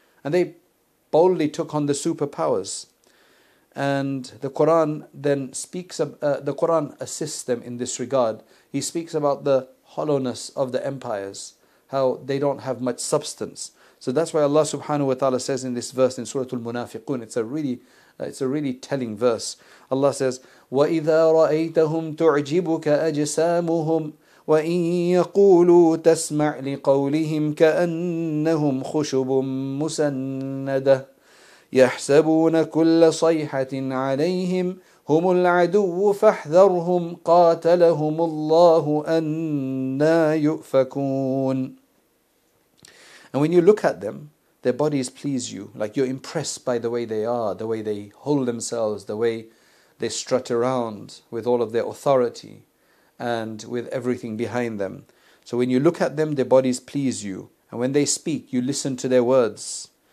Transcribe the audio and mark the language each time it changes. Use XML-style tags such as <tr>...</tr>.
<en>And they boldly took on the superpowers. And the Quran then speaks of, the Quran assists them in this regard. He speaks about the hollowness of the empires, how they don't have much substance. So that's why Allah subhanahu wa ta'ala says in this verse in Surah Al-Munafiqun, it's a really telling verse. Allah says,</en> <ar>وَإِذَا رَأَيْتَهُمْ تُعْجِبُكَ أَجْسَامُهُمْ وَإِن يَقُولُوا تَسْمَعْ لِقَوْلِهِمْ كَأَنَّهُمْ خُشُبٌ مُسَنَّدَةٌ يَحْسَبُونَ كُلَّ صَيْحَةٍ عَلَيْهِمْ هُمُ الْعَدُوُّ فَاحْذَرْهُمْ قَاتَلَهُمُ اللَّهُ أَنَّا يُؤْفَكُونَ.</ar> <en>And when you look at them, their bodies please you. Like you're impressed by the way they are, the way they hold themselves, the way they strut around with all of their authority and with everything behind them. So when you look at them, their bodies please you. And when they speak, you listen to their words.</en>